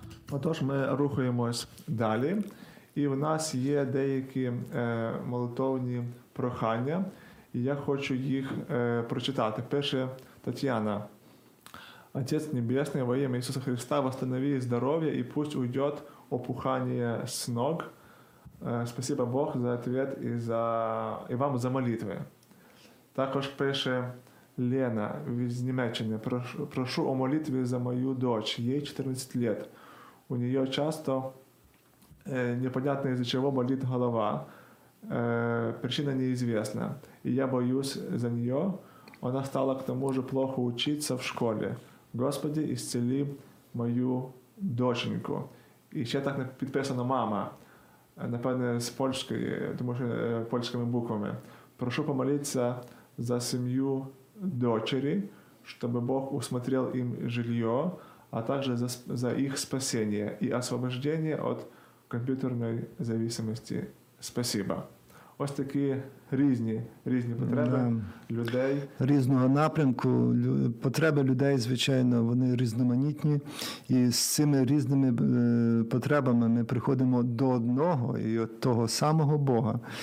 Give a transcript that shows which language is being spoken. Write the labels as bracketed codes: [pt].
[uk] Отож, ми рухаємось далі, і в нас є деякі молитовні прохання, і я хочу їх прочитати. Пише Тетяна: «Отець Небесний, во ім'я Ісуса Христа, восстанови здоров'я і [ru] пусть уйдет [uk] опухання с ног. [ru] Спасибо Бог за ответ і вам за молитви». [uk] Також пише Лена з Німеччини: «Прошу о молитві за мою дочь, їй 14 років. [ru] У нее часто непонятно из-за чего болит голова, причина неизвестна, и я боюсь за нее. Она стала к тому же плохо учиться в школе. Господи, исцели мою доченьку». И еще так подписано «мама», напевно, с польской, потому что польскими буквами. «Прошу помолиться за семью дочери, чтобы Бог усмотрел им жилье, а также за их спасение и освобождение от компьютерной зависимости. Спасибо». [uk] Ось такі різні потреби, да, людей. Різного напрямку. Потреби людей, звичайно, вони різноманітні. І з цими різними потребами ми приходимо до одного і от того самого Бога.